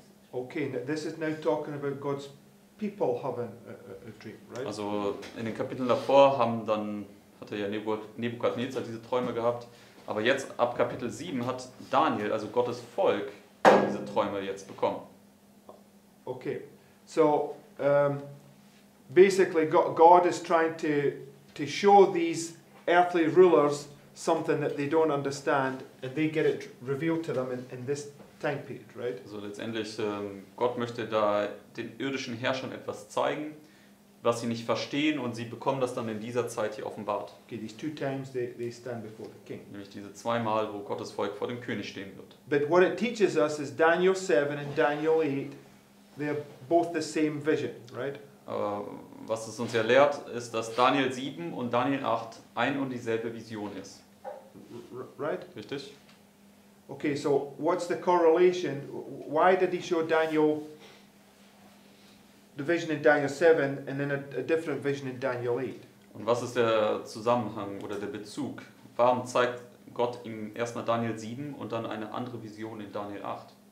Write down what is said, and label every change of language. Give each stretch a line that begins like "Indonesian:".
English: Okay, this is now talking about God's people having a dream, right?
German: Also in den Kapiteln davor hatte ja Nebukadnezar diese Träume gehabt, aber jetzt ab Kapitel 7 hat Daniel, also Gottes Volk, diese Träume jetzt bekommen.
English: Okay, so basically God is trying to show these earthly rulers something that they don't understand, and they get it revealed to them in this time period, right?
German: Also letztendlich, Gott möchte da den irdischen Herrschern etwas zeigen, was sie nicht verstehen, und sie bekommen das dann in dieser Zeit hier offenbart.
English: Okay, these two times they stand before the king.
German: Nämlich diese zweimal, wo Gottes Volk vor dem König stehen wird.
English: But what it teaches us is Daniel 7 and Daniel 8, they're both the same vision, right?
German: Was es uns ja lehrt, ist, dass Daniel 7 und Daniel 8 ein und dieselbe Vision ist.
English: Right?
German: Richtig.
English: Okay, so what's the correlation? Why did he show Daniel the vision in Daniel 7 and then a different vision in Daniel 8?
German: Und was ist der Zusammenhang oder der Bezug? Warum zeigt Gott ihm erst mal Daniel 7 und dann eine andere Vision in Daniel 8?